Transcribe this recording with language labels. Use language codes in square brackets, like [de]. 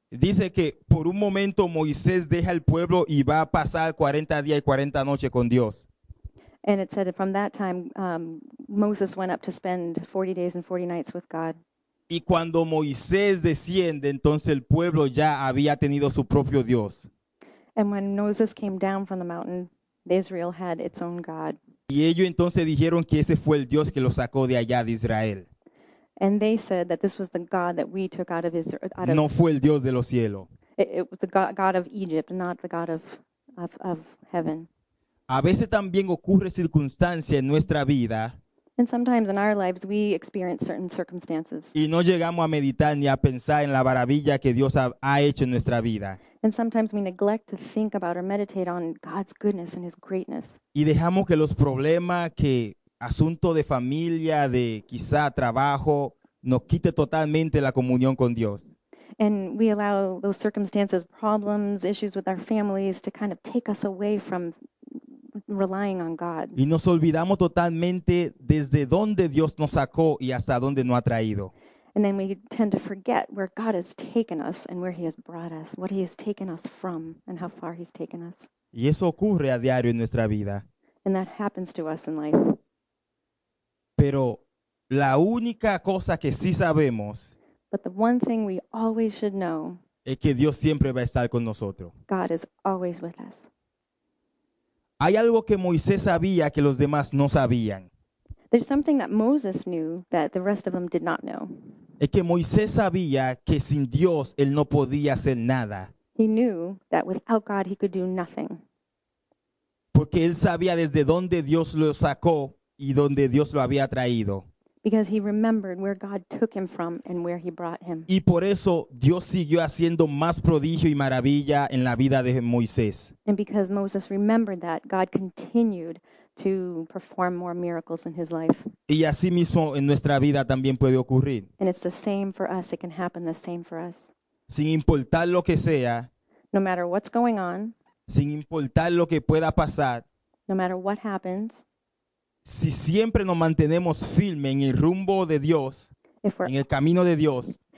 [es] Dice que por un momento Moisés deja el pueblo y va a pasar 40 días y 40 noches con Dios. [en] And it said that from that time, Moses went up to spend 40 days and 40 nights with God. [es] Y cuando Moisés desciende, entonces el pueblo ya había tenido su propio Dios. [en] And when Moses came down from the mountain, Israel had its own God. [es] Y ellos entonces dijeron que ese fue el Dios que lo sacó de allá de Israel. [en] And they said that this was the God that we took out of Israel. Out no of, [es] fue el Dios de los cielos. [en] It was the God of Egypt, not the God of heaven. [es] A veces también ocurre circunstancia en nuestra vida. [en] And sometimes in our lives we experience certain circumstances. [es] Y no llegamos a meditar ni a pensar en la maravilla que Dios ha hecho en nuestra vida. [en] And sometimes we neglect to think about or meditate on God's goodness and his greatness. [es] Y dejamos que los problemas, que asunto de familia, de quizá trabajo, nos quite totalmente la comunión con Dios. [en] And we allow those circumstances, problems, issues with our families to kind of take us away from relying on God. [es] Y nos olvidamos totalmente desde dónde Dios nos sacó y hasta dónde nos ha traído. [en] And then we tend to forget where God has taken us and where he has brought us, what he has taken us from and how far he's taken us. [es] Y eso ocurre a diario en nuestra vida. [en] And that happens to us in life. [es] Pero la única cosa que sí sabemos, [en] but the one thing we always should know, [es] es que Dios siempre va a estar con nosotros. [en] God is always with us. [es] Hay algo que Moisés sabía que los demás no sabían. [en] There's something that Moses knew that the rest of them did not know. [es] Es que Moisés sabía que sin Dios él no podía hacer nada. [en] He knew that without God he could do nothing. [es] Porque él sabía desde dónde Dios lo sacó y dónde Dios lo había traído. [en] Because he remembered where God took him from and where he brought him. [es] Y por eso Dios siguió haciendo más prodigio y maravilla en la vida de Moisés. [en] And because Moses remembered that, God continued to perform more miracles in his life. [es] Y así mismo en nuestra vida también puede ocurrir. [en] And it's the same for us. It can happen the same for us. [es] Sin importar lo que sea. [en] No matter what's going on. [es] Sin importar lo que pueda pasar. [en] No matter what happens. [es] Si siempre nos mantenemos firmes en el rumbo de Dios, en el camino de Dios,